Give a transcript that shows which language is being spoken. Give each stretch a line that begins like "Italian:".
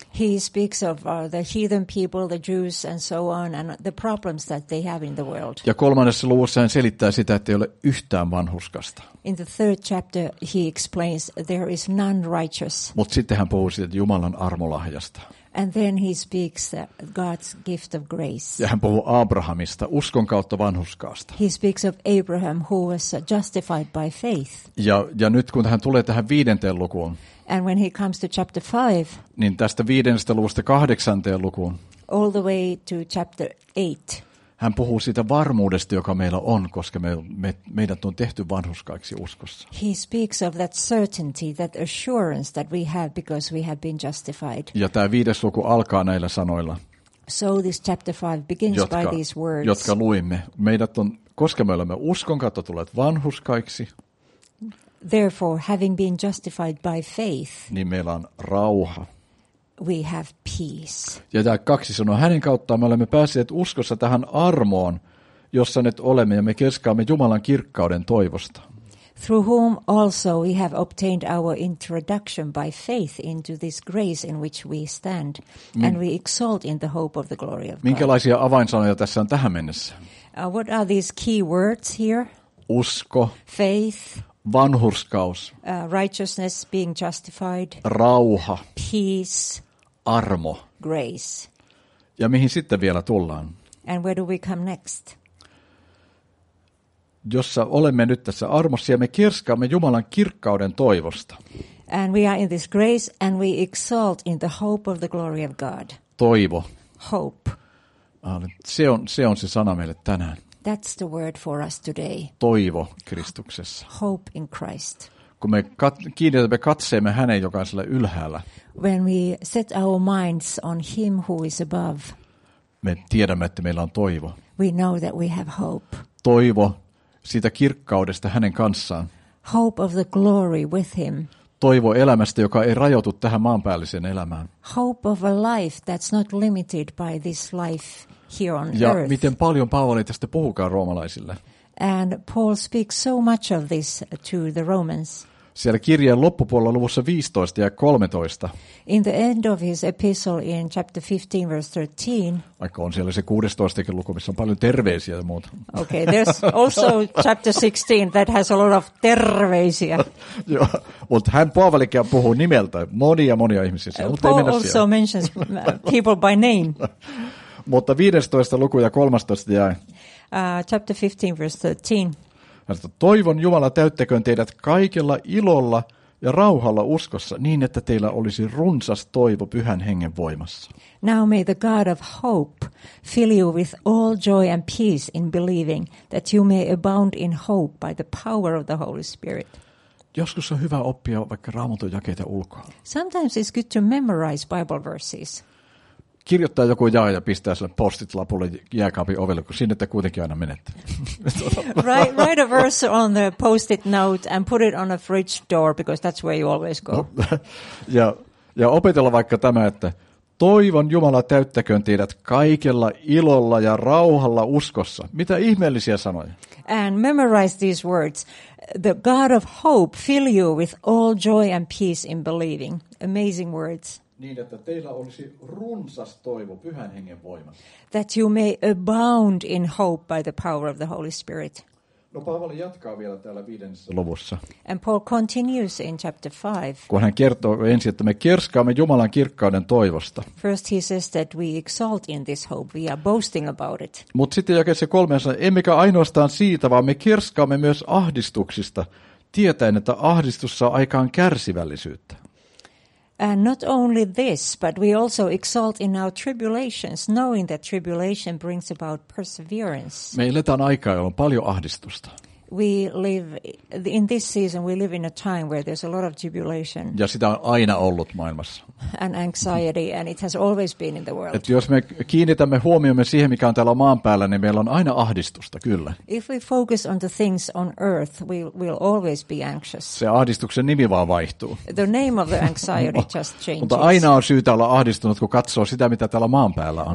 English: He speaks of the heathen people, the Jews and so on and the problems that they have in the world.
Finnish: Ja 3. luvussa hän selittää sitä, että ei ole yhtään vanhurskasta.
English: In the third chapter he explains there is none righteous.
Finnish: Mut sitten hän puhuu siitä Jumalan armolahjasta.
English: And then he speaks God's gift of grace.
Finnish: Ja hän puhuu Abrahamista, uskon kautta vanhurskaasta.
English: He speaks of Abraham who was justified by faith.
Finnish: Ja nyt kun hän tulee tähän 5. lukuun.
English: And when he comes to chapter 5.
Finnish: Niin tästä 5. luvusta 8. lukuun.
English: All the way to chapter 8.
Finnish: Hän puhuu siitä varmuudesta, joka meillä on, koska meidät on tehty vanhurskaiksi uskossa.
English: He speaks of that certainty, that assurance that we have because we have been justified.
Finnish: Ja tämä 5. luku alkaa näillä sanoilla.
English: So this chapter 5 begins by these words.
Finnish: Jotka luimme. Meidät on, koska me olemme uskon kautta tulleet vanhurskaiksi.
English: Therefore, having been justified by faith.
Finnish: Niin meillä on rauha.
English: We have peace.
Finnish: Ja tämä kaksi sanoo, hänen kauttaan me olemme päässeet uskossa tähän armoon, jossa nyt olemme ja me keskaamme Jumalan kirkkauden toivosta.
English: Through whom also we have obtained our introduction by faith into this grace in which we stand and we exalt in the hope of the glory of God.
Finnish: Minkälaisia avainsanoja tässä on tähän mennessä?
English: What are these key words here?
Finnish: Usko.
English: Faith.
Finnish: Vanhurskaus.
English: Righteousness, being justified.
Finnish: Rauha.
English: Peace.
Finnish: Armo.
English: Grace.
Finnish: Ja mihin sitten vielä tullaan?
English: And where do we come next?
Finnish: Jossa olemme nyt tässä armossa ja me kerskaamme Jumalan kirkkauden toivosta.
English: And we are in this grace and we exalt in the hope of the glory of God.
Finnish: Toivo.
English: Hope.
Finnish: Se on se sana meille tänään.
English: That's the word for us today.
Finnish: Toivo Kristuksessa.
English: Hope in Christ.
Finnish: Kun me kiinnitämme katseemme hänen jokaiselle ylhäällä.
English: When we set our minds on him who is above.
Finnish: Me tiedämme, että meillä on toivo.
English: We know that we have hope.
Finnish: Toivo siitä kirkkaudesta hänen kanssaan.
English: Hope of the glory with him.
Finnish: Toivo elämästä, joka ei rajoitu tähän maanpäälliseen elämään.
English: Hope of a life that's not limited by this life here on earth.
Finnish: Ja miten paljon Paavali tästä puhukaan roomalaisille.
English: And Paul speaks so much of this to the Romans.
Finnish: Siellä kirjeen loppupuolella luvussa 15 ja 13.
English: In the end of his epistle in chapter 15 verse 13.
Finnish: Vaikka on siellä se 16 luku, missä on paljon terveisiä ja muuta.
English: Okay, there's also chapter 16 that has a lot of terveisiä.
Finnish: Joo, mutta hän Paavalikin puhuu nimeltä monia ihmisiä.
English: Paul also mentions people by name.
Finnish: Mutta 15 luku ja 13 jäi.
English: Chapter 15 verse 13.
Finnish: Toivon Jumala täyttäköön teidät kaikella ilolla ja rauhalla uskossa niin, että teillä olisi runsas toivo Pyhän Hengen voimassa.
English: Now may the God of hope fill you with all joy and peace in believing that you may abound in hope by the power of the Holy Spirit.
Finnish: Joskus on hyvä oppia vaikka Raamatun jakeita ulkoa.
English: Sometimes it's good to memorize Bible verses.
Finnish: Kirjoittaa joku jaa ja pistää sen postit lapulle jääkaapin ovelle, kun sinne te kuitenkin aina menette.
English: write a verse on the post-it note and put it on a fridge door, because that's where you always go.
Finnish: ja opetella vaikka tämä, että toivon Jumala täyttäköön teidät kaikella ilolla ja rauhalla uskossa. Mitä ihmeellisiä sanoja?
English: And memorize these words. The God of hope fill you with all joy and peace in believing. Amazing words.
Finnish: Niin, että teillä olisi runsas toivo Pyhän Hengen voimassa.
English: That you may abound in hope by the power of the Holy Spirit.
Finnish: No Paavali jatkaa vielä täällä viidennessä luvussa.
English: And Paul continues in chapter 5.
Finnish: Kun hän kertoo ensin, että me kerskaamme Jumalan kirkkauden toivosta.
English: First he says that we exalt in this hope, we are boasting about it.
Finnish: Mutta sitten jakeessa 3 sanoo, emmekä ainoastaan siitä, vaan me kerskaamme myös ahdistuksista, tietäen, että ahdistus saa aikaan kärsivällisyyttä.
English: And not only this, but we also exalt in our tribulations, knowing that tribulation brings about perseverance.
Finnish: Me eletään aikaa, jolla on paljon ahdistusta.
English: We live in this season, we live in a time where there's a lot of tribulation.
Finnish: Ja sitä on aina ollut maailmassa.
English: And anxiety, and it has always been in the world.
Finnish: Et jos me kiinnitämme huomiomme siihen, mikä on täällä maan päällä, niin meillä on aina ahdistusta, kyllä.
English: If we focus on the things on earth, we will always be anxious.
Finnish: Se ahdistuksen nimi vaan vaihtuu.
English: The name of the anxiety just changes.
Finnish: Mutta aina on syytä olla ahdistunut, kun katsoo sitä, mitä täällä maan päällä on.